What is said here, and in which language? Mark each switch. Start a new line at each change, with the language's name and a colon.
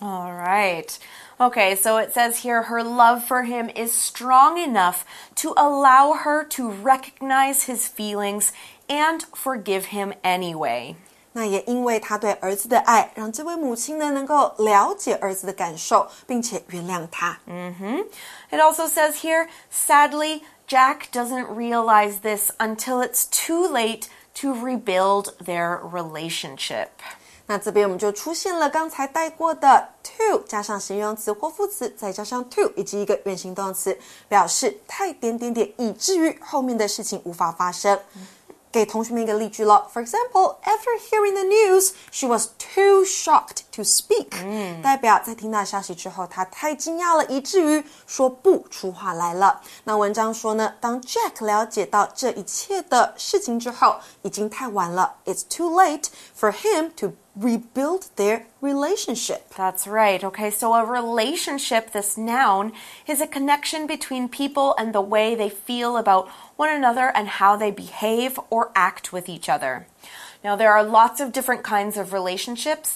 English: All right. Okay, so it says here her love for him is strong enough to allow her to recognize his feelings and forgive him anyway.
Chinese: 那也因为他对儿子的爱，让这位母亲呢能够了解儿子的感受，并且原谅他。 Mm-hmm.
English: It also says here, sadly, Jack doesn't realize this until it's too late to rebuild their relationship.
Chinese: 那这边我们就出现了刚才带过的 to 加上形容词或副词，再加上 to 以及一个原形动词，表示太点点点，以至于后面的事情无法发生。给同学们一个例句了。
English: For example, after hearing the news, she was too shocked to speak.、 Mm.
Chinese: 代表在听到消息之后，她太惊讶了，以至于说不出话来了。那文章说呢，当 Jack 了解到这一切的事情之后，已经太晚了。
English: It's too late for him to rebuild their relationship. That's right. Okay, so a relationship, this noun, is a connection between people and the way they feel aboutone another and how they behave or act with each other. Now, there are lots of different kinds of relationships.